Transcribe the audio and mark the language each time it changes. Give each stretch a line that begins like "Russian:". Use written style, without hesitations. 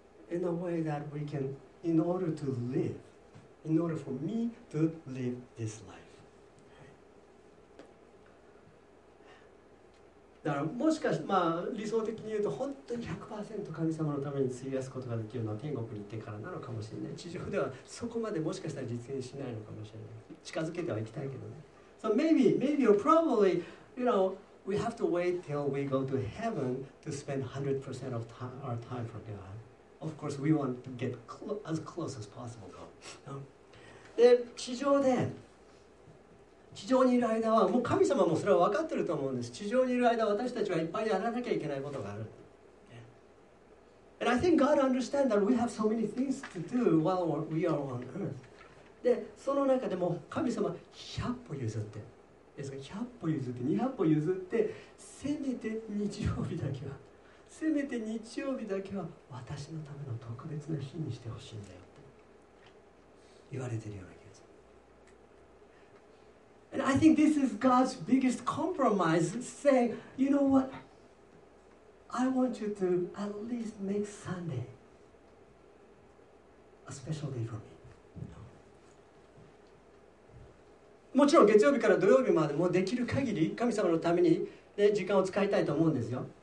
English: in a way that we can, in order to live, in order for me to live this life.
Japanese: だからもしかして、まあ、理想的に言うと本当に 100% 神様のために費やすことができるのは天国に行ってからなのかもしれない。地上ではそこまでもしかしたら実現しないのかもしれない。近づけてはいきたいけどね。
English: So maybe, maybe or probably, you know,We have to wait till we go to heaven to spend 100% of our time for God. Of course, we want to get as close as possible, though.
Japanese: で、地上で、地上にいる間は、もう神様もそれは分かってると思うんです。地上にいる間、私たちはいっぱいやらなきゃいけないことがある。
English: And I think God understands that we have so many things to do while we are on earth.
Japanese: で、その中でも神様、100歩譲って。ですが100歩譲って200歩譲ってせめて日曜日だけはせめて日曜日だけは私のための特別な日にしてほしいんだよって言われてるような気がする。
English: And I think this is God's biggest compromise, saying, you know what, I want you to at least make Sunday a special day for me.
Japanese: もちろん月曜日から土曜日までもできる限り神様のために、ね、時間を使いたいと思うんですよ。